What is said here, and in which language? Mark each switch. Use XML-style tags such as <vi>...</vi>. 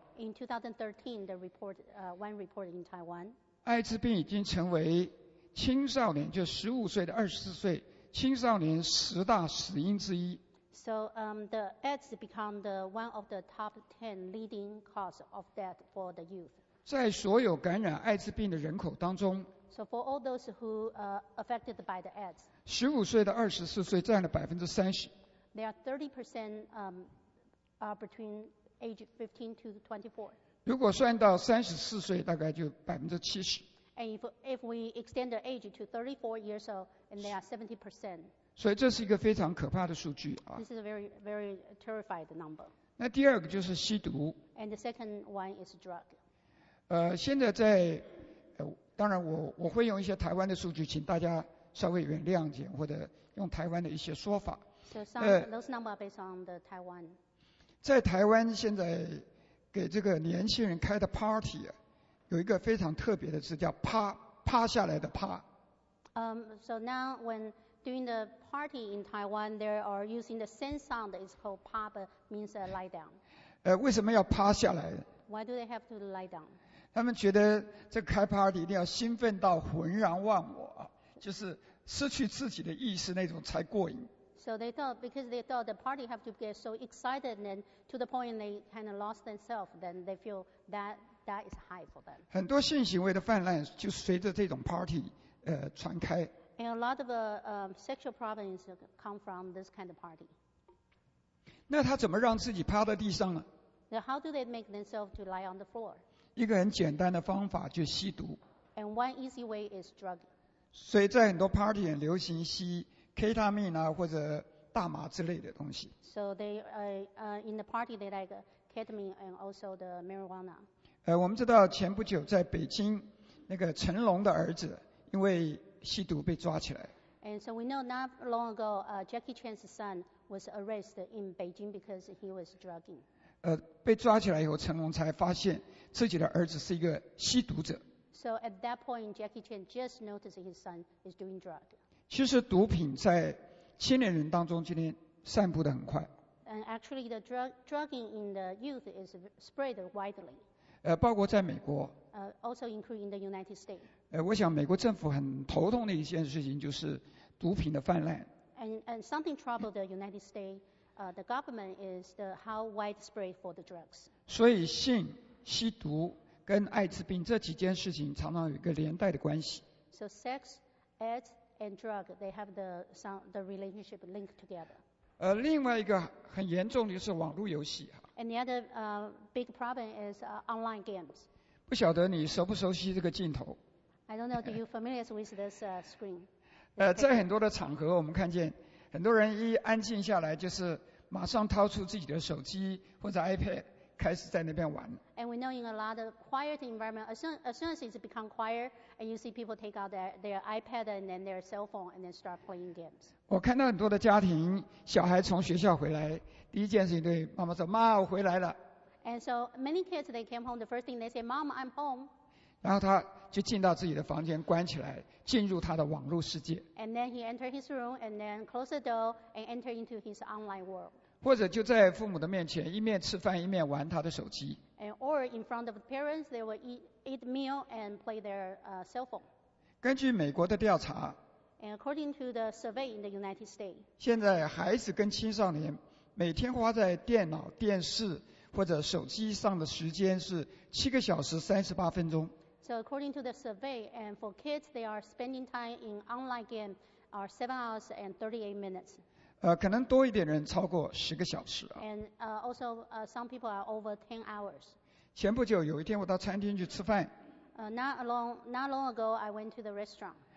<en>In 2013, the report, one report in Taiwan.</en> <zh>艾滋病已经成为青少年，就15岁到24岁。青少年十大死因之一。</zh> <en>So, the AIDS become the one of the top 10 leading cause of death for the youth.</en> <zh>在所有感染艾滋病的人口当中。</zh> <en>So for all those who affected by the AIDS.</en> <zh>15岁到24岁占了30%。</zh> <en>There are 30% are between age 15 to 24.</en> <zh>如果算到34岁，大概就70%。</zh> <en>And if we extend the age to 34 years old, and they are 70%.</en> <zh>所以这是一个非常可怕的数据啊。</zh> <en>This is a very, very terrified number.</en> <zh>那第二个就是吸毒。</zh> <en>And the second one is drug.</en> <zh>现在在，当然我会用一些台湾的数据，请大家稍微原谅点，或者用台湾的一些说法。</zh> <en>So some those numbers are based on the Taiwan.</en> <zh>在台湾现在给这个年轻人开的 party。有一个非常特别的字叫趴，趴下来的趴。</zh> <en>So now when doing the party in Taiwan, they are using the same sound. It's called pa, but means a lie down.</en> <zh>为什么要趴下来</zh> <en>？Why do they have to lie down?</en> <zh>他们觉得这开 party 一定要兴奋到浑然忘我，就是失去自己的意识那种才过瘾。</zh> <en>So they thought because they thought the party have to get so excited, and then to the point they kind of lost themselves, then they feel that. That is high for them.</en> <zh>很多性行为的泛滥就随着这种 party 传开。</zh> <en>And a lot of sexual problems come from this kind of party.</en> <zh>那他怎么让自己趴在地上呢？</zh> <en>Now, how do they make themselves to lie on the floor?</en> <zh>一个很简单的方法就吸毒。</zh> <en>And one easy way is drug.</en> <zh>所以在很多 party 很流行吸 ketamine 啊或者大麻之类的东西。</zh> <en>So they in the party they like ketamine and also the marijuana.</en> <zh>我们知道前不久在北京，那个成龙的儿子因为吸毒被抓起来。</zh> <en>And so we know not long ago, Jackie Chan's son was arrested in Beijing because he was drugging.</en> <zh>被抓起来以后，成龙才发现自己的儿子是一个吸毒者。</zh> <en>So at that point, Jackie Chan just noticed his son is doing drug.</en> <zh>其实毒品在青年人当中今天散布得很快。</zh> <en>And actually, the drugging in the youth is spread widely.</en> <zh>包括在美国。</zh> <en>Also including the United States.</en> <zh>我想美国政府很头痛的一件事情就是毒品的泛滥。</zh> <en>And something troubled the United States, the government is the how widespread for the drugs.</en> <zh>所以性、吸毒跟艾滋病这几件事情常常有一个连带的关系。</zh> <en>So sex, AIDS, and drug, they have the relationship linked together.</en> <zh>另外一个很严重的是网络游戏。</zh> <en>And the other big problem is online games.</en> <zh>不晓得你熟不熟悉这个镜头。</zh> <en>I don't know. Do you familiar with this screen?</en> <zh>在很多的场合，我们看见很多人一安静下来，就是马上掏出自己的手机或者 iPad， 开始在那边玩。</zh> <en>And we know in a lot of quiet environment, as soon as it become quiet, and you see people take out their iPad and then their cell phone and then start playing games.</en> <zh>我看到很多的家庭，小孩从学校回来。第一件事情对妈妈说：“妈，我回来了。”</zh> <en>And so many kids, they came home. The first thing they say, "Mom, I'm home."</en> <zh>然后他就进到自己的房间，关起来，进入他的网络世界。</zh> <en>And then he entered his room and then closed the door and entered into his online world.</en> <zh>或者就在父母的面前，一面吃饭一面玩他的手机。</zh> <en>And or in front of the parents, they will eat meal and play their cell phone.</en> <zh>根据美国的调查</zh> <en>，And according to the survey in the United States,</en> <zh>现在孩子跟青少年每天花在电脑、电视或者手机上的时间是7个小时38分钟。</zh> <en>So according to the survey, and for kids, they are spending time in online game are 7 hours and 38 minutes.</en> <zh>可能多一点人超过十个小时啊。</zh> <en>And also some people are over 10 hours.</en> <zh>前不久有一天我到餐厅去吃饭。</zh> <en>Not long ago, I went to the restaurant.</en>